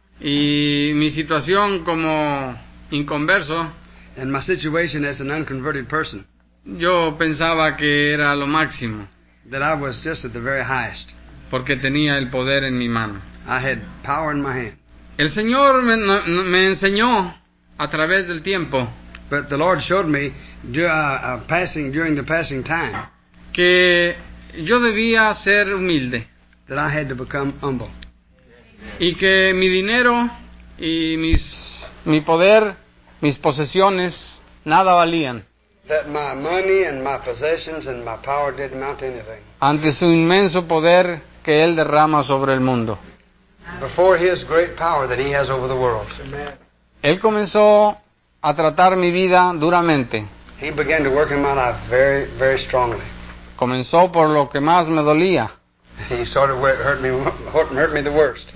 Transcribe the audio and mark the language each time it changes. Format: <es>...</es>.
<es>y mi situación como inconverso,</es> <en>and my situation as an unconverted person,</en> <es>yo pensaba que era lo máximo,</es> <en>that I was just at the very highest,</en> <es>porque tenía el poder en mi mano.</es> <en>I had power in my hand.</en> <es>El Señor me enseñó a través del tiempo.</es> <en>But the Lord showed me during the passing time</en> <es>que yo debía ser humilde.</es> <en>That I had to become humble.</en> <es>Y que mi dinero y mi poder, mis posesiones, nada valían.</es> <en>That my money and my possessions and my power didn't amount to anything.</en> <es>Ante su inmenso poder que Él derrama sobre el mundo.</es> <en>Before his great power that he has over the world.</en> <es>Él comenzó a tratar mi vida duramente.</es> <en>He began to work in my life very, very strongly.</en> <es>Comenzó por lo que más me dolía.</es> <en>He started hurt me the worst.</en>